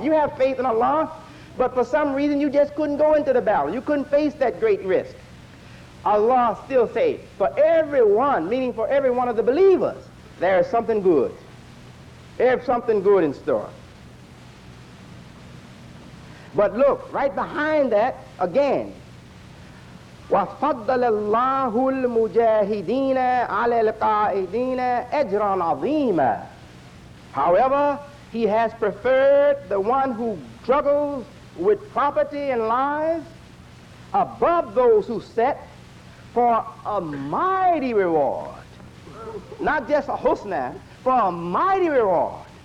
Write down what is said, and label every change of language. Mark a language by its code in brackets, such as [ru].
[en] You have faith in Allah, but for some reason you just couldn't go into the battle. You couldn't face that great risk. Allah still says, for everyone, meaning for every one of the believers, there is something good. There is something good in store. But look, right behind that, again, [ar] وَفَضَّلَ اللَّهُ الْمُجَاهِدِينَ عَلَى الْقَائِدِينَ أَجْرًا عَظِيمًا. [en] However, He has preferred the one who struggles with property and lives above those who set for a mighty reward. Not just a husna, for a mighty reward.